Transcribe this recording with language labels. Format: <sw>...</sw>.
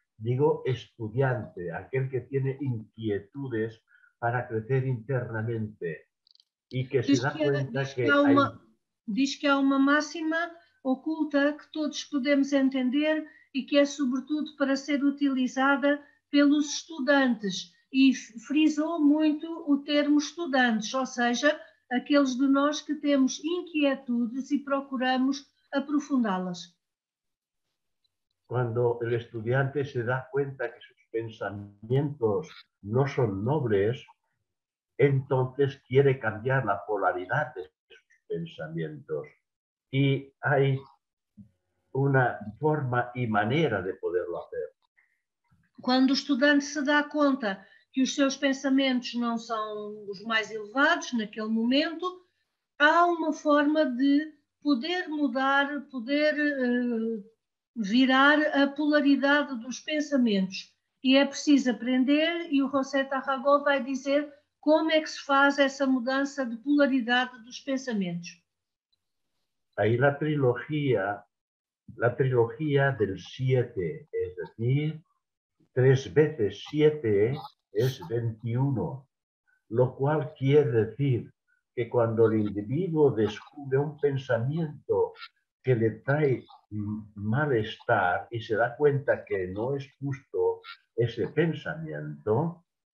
<es>Digo estudiante, aquel que tiene inquietudes para crecer internamente y que se da cuenta que</es> <pt>diz que há uma máxima oculta que todos podemos entender e que é sobretudo para ser utilizada pelos estudantes. E frisou muito o termo estudantes, ou seja, aqueles de nós que temos inquietudes e procuramos aprofundá-las.</pt> <es>cuando el estudiante se da cuenta que sus pensamientos no son nobles, entonces quiere cambiar la polaridad de sus pensamientos. Y hay una forma y manera de poderlo hacer. Cuando el estudiante se da cuenta que sus pensamientos no son los más elevados en aquel momento, hay una forma de poder mudar, poder</es> <pt>virar a polaridade dos pensamentos. E é preciso aprender, e o José Tarragó vai dizer como é que se faz essa mudança de polaridade dos pensamentos.</pt> <es>Aí a trilogia del 7, é decir,</es> <pt>3 vezes 7 é 21,</pt> <es>lo cual</es> <pt>quer dizer</pt> <es>que cuando el individuo descubre un pensamiento que le trae malestar y se da cuenta que no es justo ese pensamiento.</es>